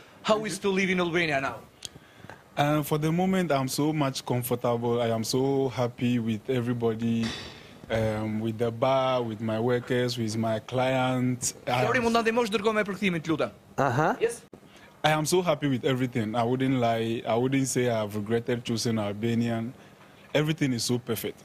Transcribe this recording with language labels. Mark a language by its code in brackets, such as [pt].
[en] How is to live in Albania now? For the moment I'm so much comfortable. I am so happy with everybody. With the bar, with my workers, with my clients. [sq] Flori, mund të ndihmosh dërgo me përkthimin, lutem. Aha. [en] Yes. I am so happy with everything. I wouldn't lie. I wouldn't say I've regretted choosing Albanian. Everything is so perfect.